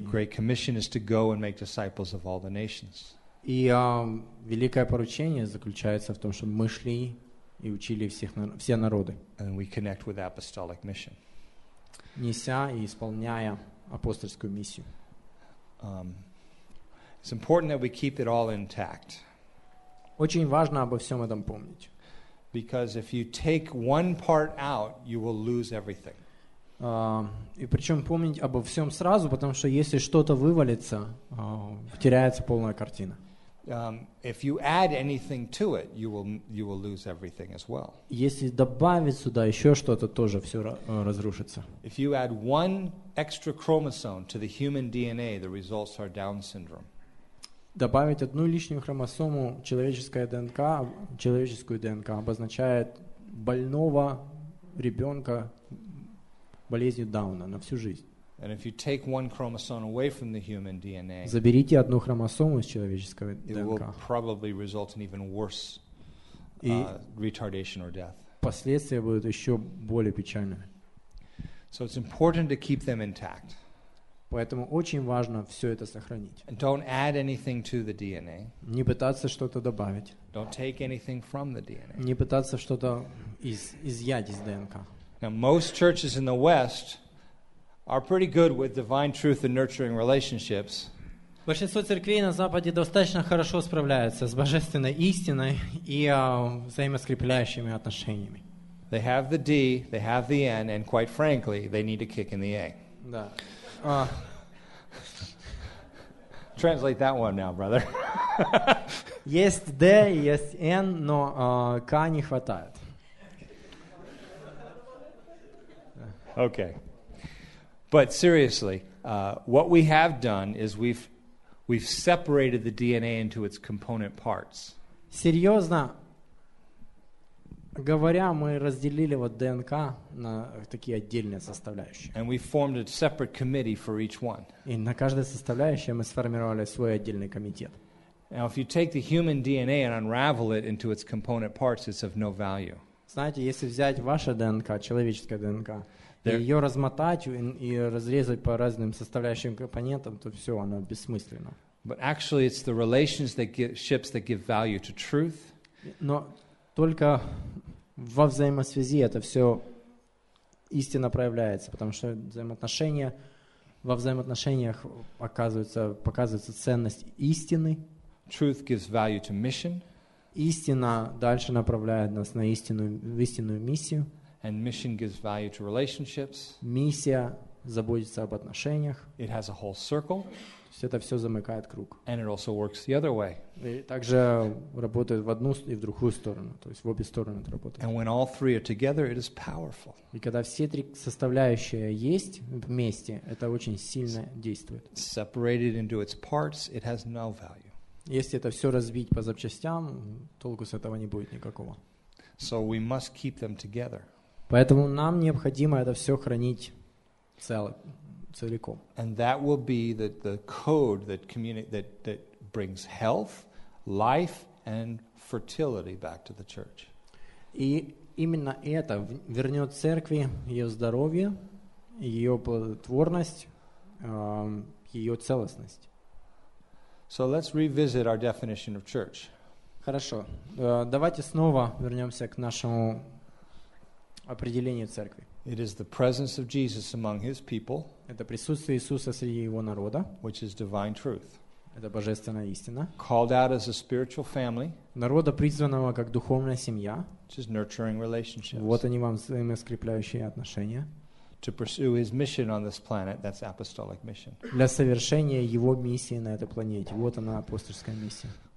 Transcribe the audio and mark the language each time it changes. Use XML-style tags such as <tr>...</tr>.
<en>The great commission is to go and make disciples of all the nations.</en> <ru>И великое поручение заключается в том, чтобы мы шли и учили всех, все народы.</ru> <en>And we connect with apostolic mission.</en> <ru>Неся и исполняя апостольскую миссию.</ru> <en>It's important that we keep it all intact.</en> <ru>Очень важно обо всем этом помнить.</ru> <en>Because if you take one part out, you will lose everything.</en> <ru>И причем помнить обо всем сразу, потому что если что-то вывалится, теряется полная картина.</ru> <en>If you add anything to it, you will lose everything as well.</en> <ru>Если добавить сюда еще что-то, тоже все разрушится.</ru> <en>If you add one extra chromosome to the human DNA, the results are Down syndrome.</en> <ru>Добавить одну лишнюю хромосому человеческой ДНК, человеческую ДНК, обозначает больного ребенка болезнью Дауна на всю жизнь.</ru> <en>And if you take one chromosome away from the human DNA,</en> <ru>заберите одну хромосому из человеческого ДНК,</ru> <en>it will probably result in even worse retardation or death.</en> <ru>Последствия будут еще более печальными.</ru> <en>So it's important to keep them intact.</en> <ru>Поэтому очень важно все это сохранить.</ru> <en>And don't add anything to the DNA.</en> <ru>Не пытаться что-то добавить.</ru> <en>Don't take anything from the DNA.</en> <ru>Не пытаться что-то изъять из ДНК.</ru> <en>Now, most churches in the West are pretty good with divine truth and nurturing relationships.</en> <ru>Большинство церквей на Западе достаточно хорошо справляются с божественной истиной и взаимоскрепляющими отношениями.</ru> <en>They have the D, they have the N, and quite frankly, they need a kick in the A.</en> <ru>Да.</ru> <en>Translate that one now, brother.</en> <ru>Есть D, есть N, но K не хватает.</ru> <en>Okay. But seriously, what we have done is we've separated the DNA into its component parts.</en> <ru>Серьезно говоря, мы разделили вот ДНК на такие отдельные составляющие.</ru> <en>And we formed a separate committee for each one.</en> <ru>И на каждой составляющей мы сформировали свой отдельный комитет.</ru> <en>Now, if you take the human DNA and unravel it into its component parts, it's of no value.</en> <ru>Знаете, если взять ваше ДНК, человеческое ДНК, и ее размотать и разрезать по разным составляющим компонентам, то все, оно бессмысленно.</ru> <en>But actually, it's the relationships that give value to truth.</en> <ru>Но только во взаимосвязи это все истинно проявляется, потому что взаимоотношения, во взаимоотношениях показывается ценность истины.</ru> <en>Truth gives value to mission.</en> <ru>Истина дальше направляет нас на истинную, в истинную миссию.</ru> <en>And mission gives value to relationships.</en> <ru>Миссия заботится об отношениях.</ru> <en>It has a whole circle.</en> <ru>То есть это все замыкает круг.</ru> <en>And it also works the other way.</en> <ru>И также работает в одну и в другую сторону. То есть в обе стороны это работает.</ru> <en>And when all three are together, it is powerful.</en> <ru>И когда все три составляющие есть вместе, это очень сильно действует.</ru> <en>Separated into its parts, it has no value.</en> <ru>Если это все разбить по запчастям, толку с этого не будет никакого.</ru> <en>So we must keep them together.</en> <ru>Поэтому нам необходимо это все хранить целиком.</ru> <en>And that will be the code that brings health, life, and fertility back to the church.</en> <ru>И именно это вернет церкви ее здоровье, ее плодотворность, ее целостность.</ru> <en>So let's revisit our definition of church.</en> <ru>Хорошо. Давайте снова вернемся к нашему определение церкви.</ru> <en>It is the presence of Jesus among his people.</en> <ru>Это присутствие Иисуса среди его народа.</ru> <en>Which is divine truth.</en> <ru>Это божественная истина.</ru> <en>Called out as a spiritual family.</en> <ru>Народа, призванного как духовная семья.</ru> <en>Which is nurturing relationships.</en> <ru>Вот они вам взаимоскрепляющие отношения.</ru> <en>To pursue his mission on this planet, that's apostolic mission.</en> <ru>Для совершения его миссии на этой планете. Вот она, апостольская миссия.</ru>